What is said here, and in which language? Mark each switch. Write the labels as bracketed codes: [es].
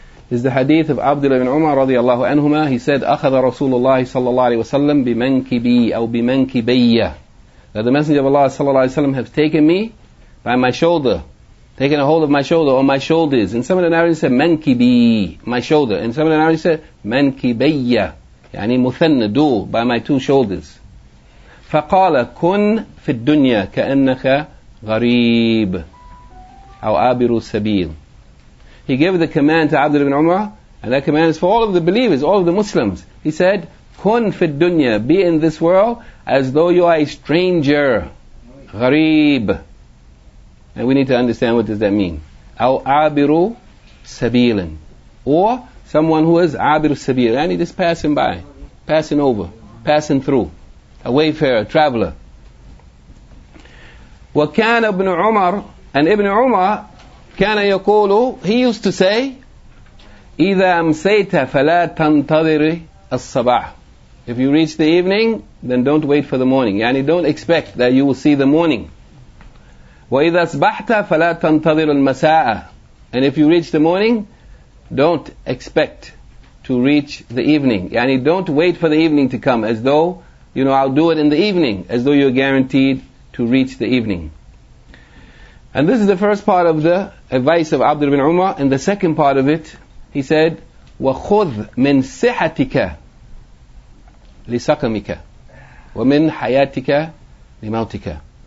[en] is the hadith of Abdullah ibn Umar radiallahu anhuma. He said, [ar] أَخَذَ رَسُولُ اللَّهِ صَلَّى اللَّهِ عَلَيْهِ وَسَلَّمْ بِمَنْكِبِي أَوْ بِمَنْكِبَيَّ, [en] that the Messenger of Allah صلى الله عليه وسلم have taken me by my shoulder, taken a hold of my shoulder or my shoulders. And some of the narrators said, مَنْكِبِي, my shoulder. And some of the narrators said, مَنْكِبَيَّ, [ar] يعني مُثَنَّ, [en] دُو, by my two shoulders. [ar] فَقَالَ كُنْ فِي الدُّنْيَا كَأَنَّكَ غَرِيبٌ أَوْ أَبِرُ السَّبِيلِ. [en] He gave the command to Abdul ibn Umar, and that command is for all of the believers, all of the Muslims. He said, [ar] Kun fid dunya, [en] be in this world as though you are a stranger. Gharib. And we need to understand what does that mean. [ar] Aw abiru sabilin. [en] Or someone who is abiru sabil, and he's just passing by, passing over, passing through. A wayfarer, a traveler. [ar] Wa kana ibn Umar, [en] and Ibn Umar, [ar] كان يقول, [en] he used to say, [ar] إذا أمسيت فلا تنتظر الصباح. [en] If you reach the evening, then don't wait for the morning. يعني don't expect that you will see the morning. [ar] وإذا أصبحت فلا تنتظر المساء. [en] And if you reach the morning, don't expect to reach the evening. يعني don't wait for the evening to come, as though, you know, I'll do it in the evening, as though you're guaranteed to reach the evening. And this is the first part of the advice of Abdul ibn Umar. And the second part of it, he said, [ar] وَخُذْ مِنْ صِحَتِكَ لِسَقَمِكَ وَمِنْ حَيَاتِكَ لِمَوْتِكَ.